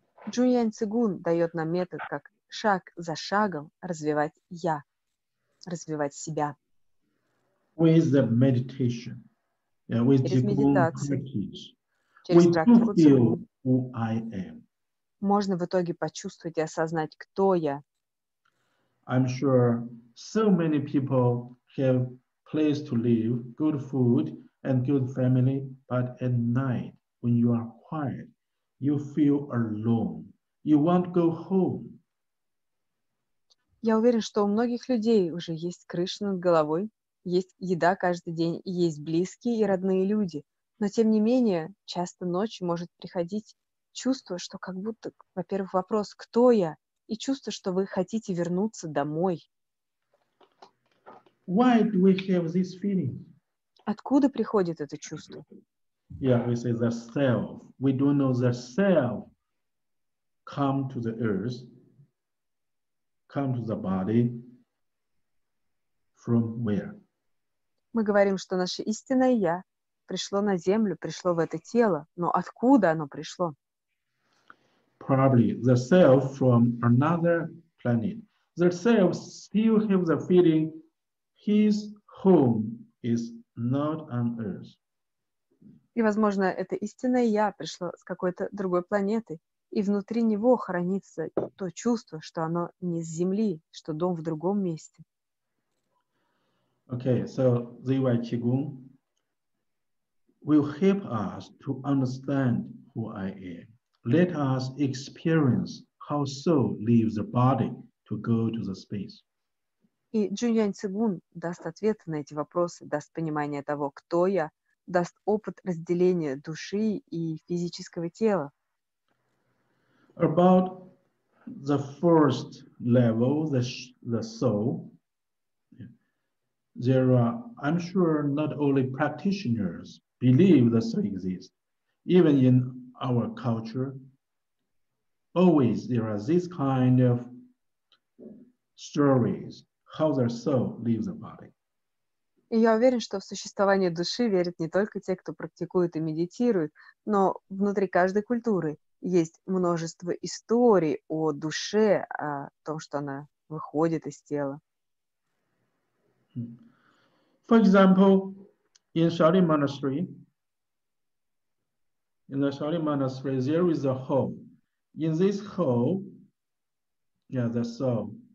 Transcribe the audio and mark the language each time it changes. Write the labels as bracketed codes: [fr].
[ru] Junyuan Qigong дает нам метод, как шаг за шагом развивать я, развивать себя. [en] With the meditation, with Qigong practice, we do feel who I am. [ru] Можно в итоге почувствовать и осознать, кто я. [en] I'm sure so many people have place to live, good food and good family, but at night, when you are quiet, you feel alone. You won't go home. [ru] Я уверен, что у многих людей уже есть крыша над головой, есть еда каждый день, есть близкие и родные люди. Но тем не менее, часто ночью может приходить чувство, что как будто, во-первых, вопрос, кто я, и чувство, что вы хотите вернуться домой. [en] Why do we have this feeling? [ru] Откуда приходит это чувство? [en] Yeah, we say the self. We don't know the self come to the earth, come to the body from where? [ru] Мы говорим, что наше истинное я пришло на землю, пришло в это тело, но откуда оно пришло? [en] Probably the self from another planet. The self still have the feeling his home is not on Earth. [ru] И, возможно, это истинное я пришло с какой-то другой планеты, и внутри него хранится то чувство, что оно не с Земли, что дом в другом месте. [en] Okay, so Zhiwai Qigong will help us to understand who I am. Let us experience how soul leaves the body to go to the space. [ru] И Junyuan Qigong даст ответ на эти вопросы, даст понимание того, кто я, даст опыт разделения души и физического тела. [en] About the first level, the soul, there are, I'm sure, not only practitioners believe the soul exists, even in our culture. Always there are these kind of stories, how the soul leaves the body. И я уверен, что в существование души верят не только те, кто практикует и медитирует, но внутри каждой культуры есть множество историй о душе, о том, что она выходит из тела. For example, in Shaolin Monastery, there is a hole. In this hole, the soul.